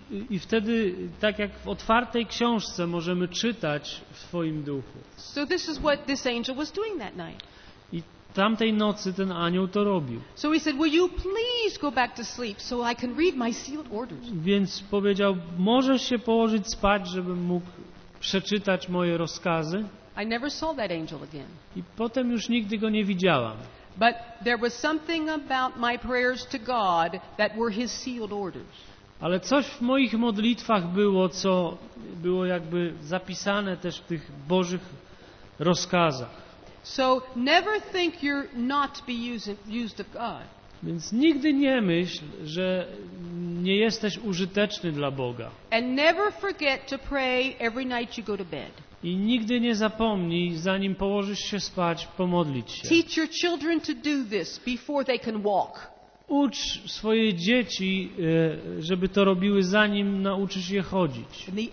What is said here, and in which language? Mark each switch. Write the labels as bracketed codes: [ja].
[pl] I wtedy, tak jak w otwartej książce, możemy czytać w twoim duchu. [en] So this is what this angel was doing that night. [pl] Tamtej nocy ten anioł to robił. [en] So he said, "Will you please go back to sleep so I can read my sealed orders?" [pl] Więc powiedział, "Możesz się położyć spać, żebym mógł przeczytać moje rozkazy." [en] I never saw that angel again. [pl] I potem już nigdy go nie widziałam. [en] But there was something about my prayers to God that were his sealed orders. [pl] Ale coś w moich modlitwach było, co było jakby zapisane też w tych Bożych rozkazach. [en] So never think you're not be used of God. [pl] Więc nigdy nie myśl, że nie jesteś użyteczny dla Boga. [en] And never forget to pray every night you go to bed. [pl] I nigdy nie zapomnij, zanim położysz się spać, pomodlić się. [en] Teach your children to do this before they can walk. [pl] Ucz swoje dzieci, żeby to robiły, zanim nauczysz je chodzić.